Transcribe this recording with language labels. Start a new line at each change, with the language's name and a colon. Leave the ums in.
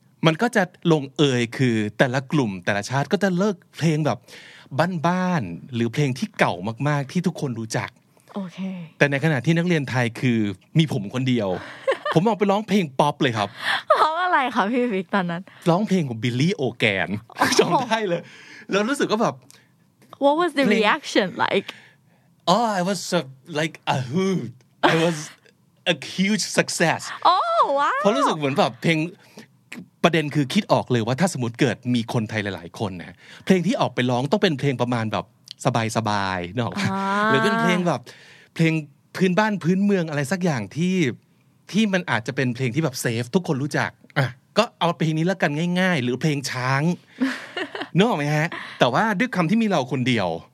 Thai: มันก็จะลงเอยคือแต่ละกลุ่มแต่ละชาติก็จะเลิกเพลงแบบบ้านๆหรือเพลงที่เก่ามากๆ ที่ทุกคนรู้จัก โอเค แต่ในขณะที่นักเรียนไทยคือมีผมคนเดียว ผมออกไปร้องเพลงป๊อปเลยครับ เพราะอะไรคะพี่บิ๊กตอนนั้น ร้องเพลงของบิลลี่โอแกนจำได้เลย แล้วรู้สึกก็แบบ
English: What was the
Thai: เพลง
English: reaction like oh I was a, like a hoot I was a huge success Oh wow
Thai: เพราะรู้สึกเหมือนแบบเพลงประเด็นคือคิดออกเลยว่าถ้าสมมติเกิดมีคนไทยหลาย ๆ คนนะเพลงที่ออกไปร้องต้องเป็นเพลงประมาณแบบสบายๆเนกออกปะ อ่า หรือเป็นเพลงแบบเพลงพื้นบ้านพื้นเมืองอะไรสักอย่างที่ที่มันอาจจะเป็นเพลงที่แบบเซฟทุกคนรู้จักอ่ะก็เอาเพลงนี้แล้วกันง่าย ๆ หรือเพลงช้างเนกออกไหมฮะ แต่ว่าด้วยคำที่มีเราคนเดียว